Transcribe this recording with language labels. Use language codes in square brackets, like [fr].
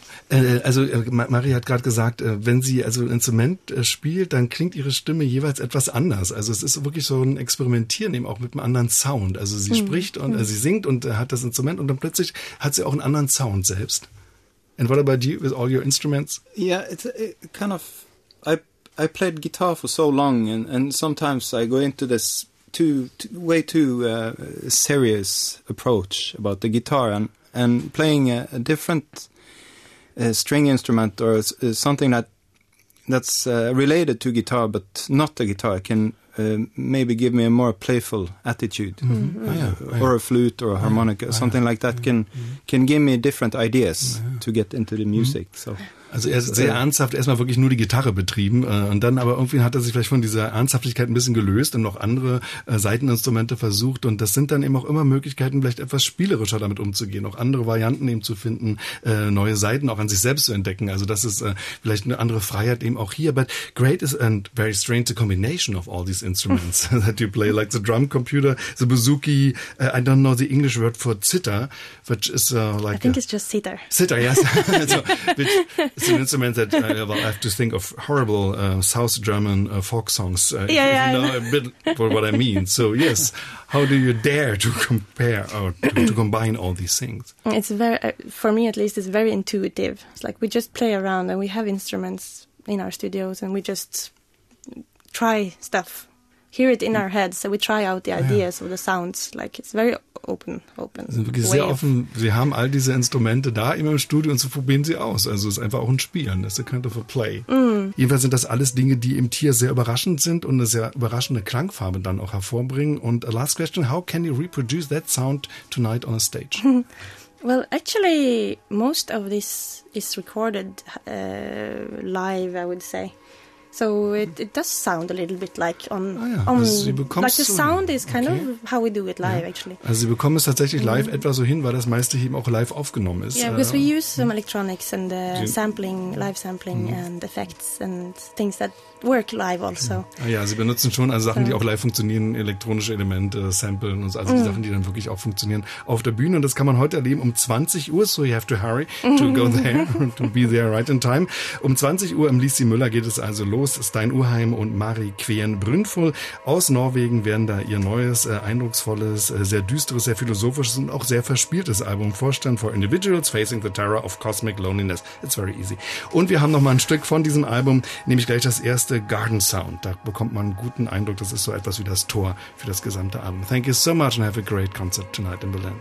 [de] Also Marie hat gerade gesagt, wenn sie also ein Instrument spielt, dann klingt ihre Stimme jeweils etwas anders. Also es ist wirklich so ein Experimentieren eben auch mit einem anderen Sound. Also sie spricht und sie singt und hat das Instrument und dann plötzlich hat sie auch einen anderen Sound selbst. [en] And what about you with all your instruments? Yeah, it's kind of, I played guitar for so long and sometimes I go into this way too serious approach about the guitar and playing a different string instrument or something that's related to guitar but not the guitar can maybe give me a more playful attitude, or a flute or a harmonica, something like that can give me different ideas to get into the music. So. [de] Also er ist sehr ernsthaft erstmal wirklich nur die Gitarre betrieben und dann aber irgendwie hat er sich vielleicht von dieser Ernsthaftigkeit ein bisschen gelöst und noch andere Saiteninstrumente versucht und das sind dann eben auch immer Möglichkeiten, vielleicht etwas spielerischer damit umzugehen, auch andere Varianten eben zu finden, neue Saiten auch an sich selbst zu entdecken. Also das ist vielleicht eine andere Freiheit eben auch hier. [en] But great is and very strange the combination of all these instruments that you play, like the drum computer, the bouzouki, I don't know the English word for zither, which is like... I think it's just zither. Zither, yes. So, which... It's an instrument that I have to think of horrible South German folk songs. You know a bit for what I mean. So, yes, how do you dare to compare or to combine all these things? It's very, for me at least, it's very intuitive. It's like we just play around and we have instruments in our studios and we just try stuff, hear it in our heads. So we try out the ideas or the sounds. Like it's very open. [de] Sehr offen. Sie haben all diese Instrumente da immer im Studio und so probieren sie aus. Also es ist einfach auch ein Spielen. [en] It's a kind of a play. [de] Jedenfalls sind das alles Dinge, die im Tier sehr überraschend sind und eine sehr überraschende Klangfarbe dann auch hervorbringen. [en] Und a last question, how can you reproduce that sound tonight on a stage? Well, actually, most of this is recorded live, I would say. So it does sound a little bit like the sound is kind of how we do it live. [de] Also Sie bekommen es tatsächlich live etwa so hin, weil das meiste eben auch live aufgenommen ist. [en] Yeah, because we use some electronics and live sampling and effects and things that work live also. [de] Sie benutzen schon also Sachen, die auch live funktionieren, elektronische Elemente, Samplen und so, also die Sachen, die dann wirklich auch funktionieren auf der Bühne. Und das kann man heute erleben um 20 Uhr, [en] so you have to hurry to go there, to be there right in time. [de] Um 20 Uhr im Lisi Müller geht es also los. Stein Urheim und Marie Kveen Brynfoll aus Norwegen werden da ihr neues, eindrucksvolles, sehr düsteres, sehr philosophisches und auch sehr verspieltes Album vorstellen. [en] For Individuals Facing the Terror of Cosmic Loneliness. It's very easy. [de] Und wir haben nochmal ein Stück von diesem Album, nämlich gleich das erste Garden Sound. Da bekommt man einen guten Eindruck. Das ist so etwas wie das Tor für das gesamte Album. [en] Thank you so much and have a great concert tonight in Berlin.